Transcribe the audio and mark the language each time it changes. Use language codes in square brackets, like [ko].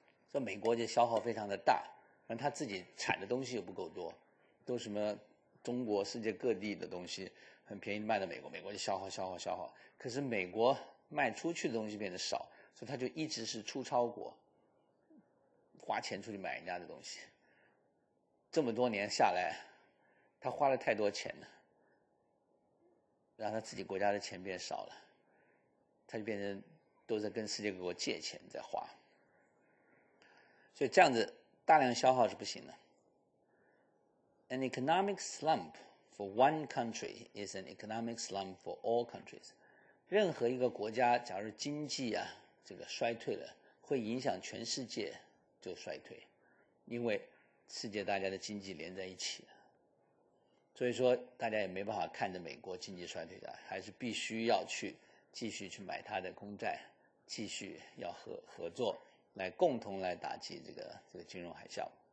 [zh] 说美国就消耗非常的大，然后他自己产的东西又不够多，都什么中国世界各地的东西很便宜卖到美国，美国就消耗消耗消耗，可是美国卖出去的东西变得少，所以他就一直是出超国，花钱出去买人家的东西，这么多年下来他花了太多钱了，然后他自己国家的钱变少了，他就变成都在跟世界各国借钱在花，所以这样子大量消耗是不行的。 [en] An economic slump for one country is an economic slump for all countries. [zh] 任何一个国家假如经济啊这个衰退了，会影响全世界就衰退，因为世界大家的经济连在一起，所以说大家也没办法看着美国经济衰退的，还是必须要去继续去买它的公债，继续要合作来共同来打击这个金融海啸。